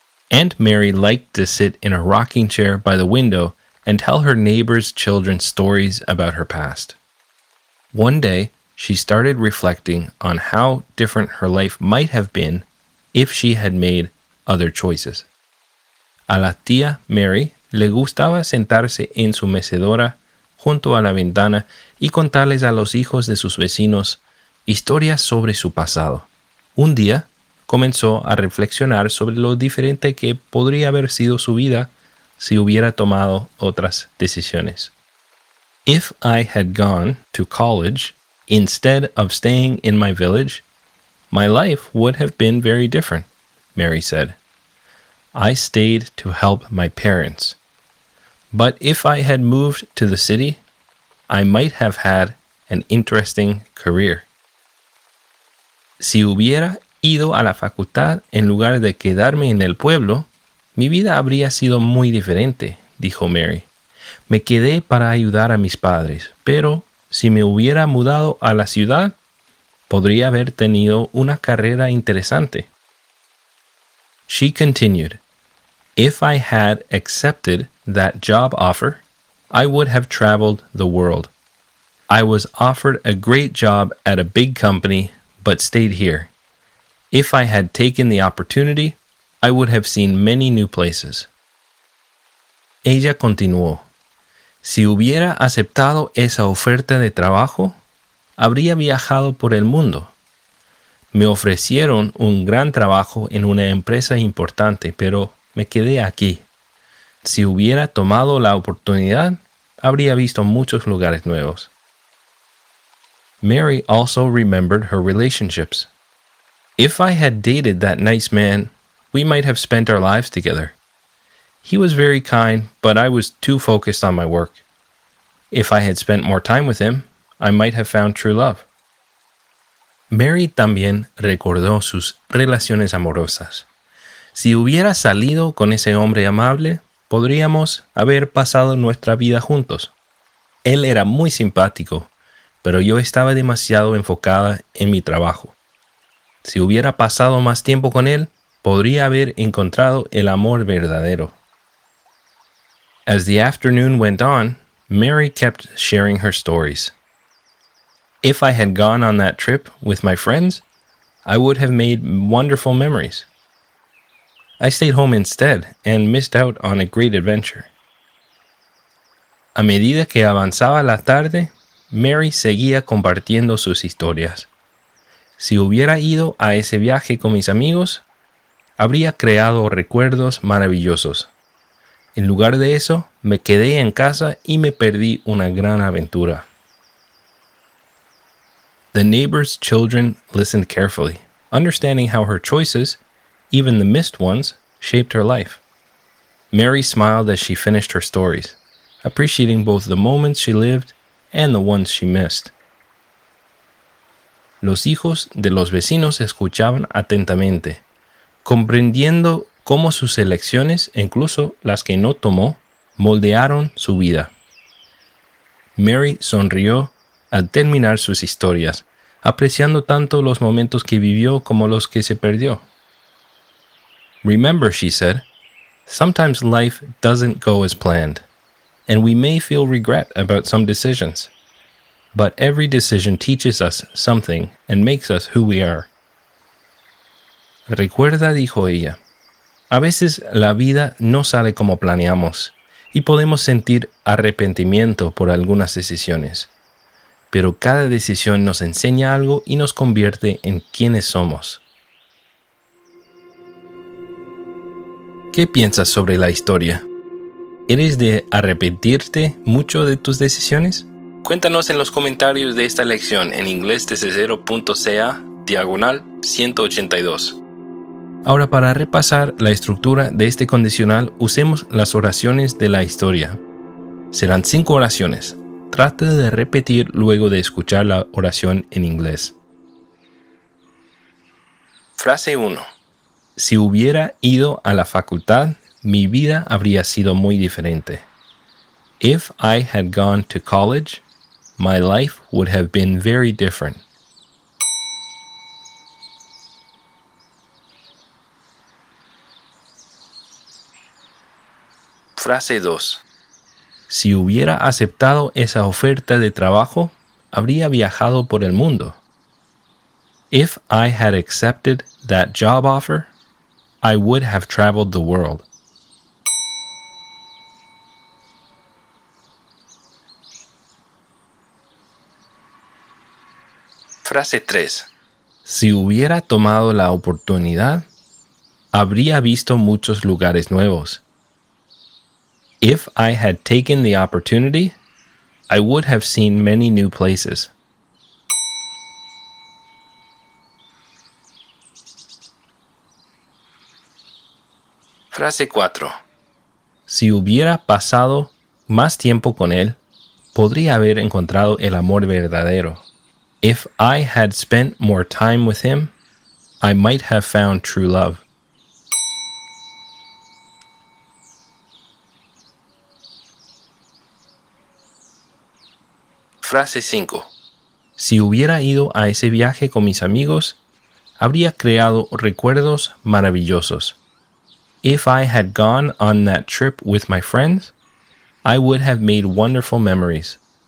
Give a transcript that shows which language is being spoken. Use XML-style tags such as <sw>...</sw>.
<en>Aunt Mary liked to sit in a rocking chair by the window and tell her neighbor's children stories about her past. One day, she started reflecting on how different her life might have been if she had made other choices.</en> <es>A la tía Mary le gustaba sentarse en su mecedora junto a la ventana y contarles a los hijos de sus vecinos historias sobre su pasado. Un día, comenzó a reflexionar sobre lo diferente que podría haber sido su vida si hubiera tomado otras decisiones.</es> <en>If I had gone to college instead of staying in my village, my life would have been very different, Mary said. I stayed to help my parents. But if I had moved to the city, I might have had an interesting career.</en> <es>Si hubiera ido a la facultad en lugar de quedarme en el pueblo, mi vida habría sido muy diferente, dijo Mary. Me quedé para ayudar a mis padres, pero si me hubiera mudado a la ciudad, podría haber tenido una carrera interesante.</es> <en>She continued, If I had accepted that job offer, I would have traveled the world. I was offered a great job at a big company, but stayed here. If I had taken the opportunity, I would have seen many new places.</en> <es>Ella continuó. Si hubiera aceptado esa oferta de trabajo, habría viajado por el mundo. Me ofrecieron un gran trabajo en una empresa importante, pero me quedé aquí. Si hubiera tomado la oportunidad, habría visto muchos lugares nuevos.</es> <en>Mary also remembered her relationships. If I had dated that nice man, we might have spent our lives together. He was very kind, but I was too focused on my work. If I had spent more time with him, I might have found true love.</en> <es>Mary también recordó sus relaciones amorosas. Si hubiera salido con ese hombre amable, podríamos haber pasado nuestra vida juntos. Él era muy simpático, pero yo estaba demasiado enfocada en mi trabajo. Si hubiera pasado más tiempo con él, podría haber encontrado el amor verdadero.</es> <en>As the afternoon went on, Mary kept sharing her stories. If I had gone on that trip with my friends, I would have made wonderful memories. I stayed home instead and missed out on a great adventure.</en> <es>A medida que avanzaba la tarde, Mary seguía compartiendo sus historias. Si hubiera ido a ese viaje con mis amigos, habría creado recuerdos maravillosos. En lugar de eso, me quedé en casa y me perdí una gran aventura.</es> <en>The neighbor's children listened carefully, understanding how her choices, even the missed ones, shaped her life. Mary smiled as she finished her stories, appreciating both the moments she lived and the ones she missed.</en> <es>Los hijos de los vecinos escuchaban atentamente, comprendiendo cómo sus elecciones, incluso las que no tomó, moldearon su vida. Mary sonrió al terminar sus historias, apreciando tanto los momentos que vivió como los que se perdió.</es> <en>Remember, she said, sometimes life doesn't go as planned, and we may feel regret about some decisions. But every decision teaches us something and makes us who we are.</en> <es>Recuerda, dijo ella, a veces la vida no sale como planeamos, y podemos sentir arrepentimiento por algunas decisiones. Pero cada decisión nos enseña algo y nos convierte en quienes somos. ¿Qué piensas sobre la historia? ¿Eres de arrepentirte mucho de tus decisiones? Cuéntanos en los comentarios de esta lección en inglesdesde0.ca/182. Ahora, para repasar la estructura de este condicional, usemos las oraciones de la historia. Serán 5 oraciones. Trate de repetir luego de escuchar la oración en inglés. Frase 1. Si hubiera ido a la facultad, mi vida habría sido muy diferente.</es> <en>If I had gone to college, my life would have been very different.</en> <es>Frase 2. Si hubiera aceptado esa oferta de trabajo, habría viajado por el mundo.</es> <en>If I had accepted that job offer, I would have traveled the world.</en> <es>Frase 3. Si hubiera tomado la oportunidad, habría visto muchos lugares nuevos.</es> <en>If I had taken the opportunity, I would have seen many new places.</en> <es>Frase 4. Si hubiera pasado más tiempo con él, podría haber encontrado el amor verdadero.</es> <en>If I had spent more time with him, I might have found true love.</en> <es>Frase 5. Si hubiera ido a ese viaje con mis amigos, habría creado recuerdos maravillosos.</es> <en>If I had gone on that trip with my friends, I would have made wonderful memories.</en>